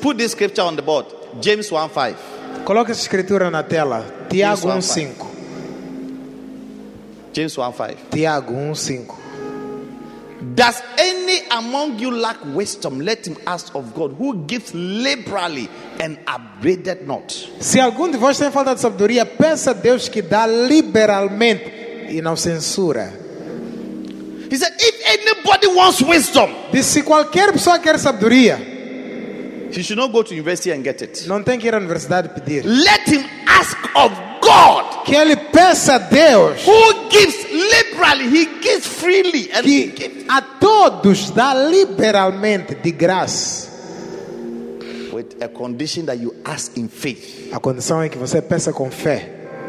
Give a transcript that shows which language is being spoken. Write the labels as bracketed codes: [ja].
[en] Put this scripture on the board. James 1:5. [pt] Coloca essa escritura na tela. Tiago 1:5. [en] James 1:5. [pt] Tiago 1:5. [en] Does any among you lack wisdom? Let him ask of God, who gives liberally and upbraideth not. [pt] Se algum de vós tem falta de sabedoria, peça a Deus que dá liberalmente e não censura. [en] He said, if anybody wants wisdom, [pt] se qualquer pessoa quer sabedoria, [en] he should not go to university and get it. [pt] Não tem que ir à universidade pedir. [en] Let him ask of God, [pt] que ele peça a Deus, [en] who gives liberally, he gives freely, and [pt] que [en] he gives [pt] a todos dá liberalmente de graça. [en] With a condition that you ask in faith. [pt] A condição é que você peça com fé.